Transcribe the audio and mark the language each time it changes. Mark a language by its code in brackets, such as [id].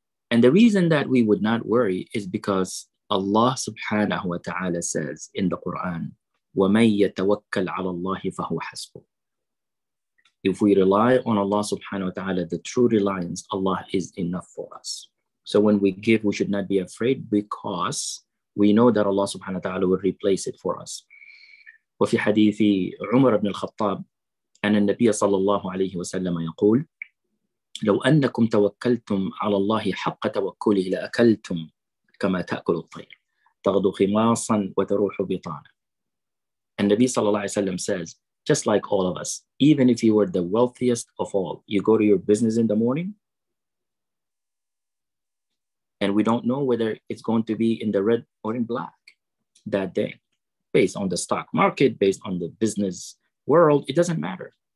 [en] And the reason that we would not worry is because Allah subhanahu wa ta'ala says in the Quran, [ar] وَمَن يَتَوَكَّلْ عَلَى اللَّهِ فَهُوَ حَسْبُهُ. [en] If we rely on Allah subhanahu wa ta'ala, the true reliance, Allah is enough for us. So when we give, we should not be afraid because we know that Allah subhanahu wa ta'ala will replace it for us. [ar] وفي حديث عمر بن الخطاب أن النبي صلى الله عليه وسلم يقول لو أنكم توكلتم على الله حق توكله لأكلتم كما تأكل الطير تغدو خماصا وتروح بطانا. النبي صلى الله عليه وسلم [en] says, just like all of us, even if you were the wealthiest of all, you go to your business in the morning, and we don't know whether it's going to be in the red or in black that day, based on the stock market, based on the business world, it doesn't matter.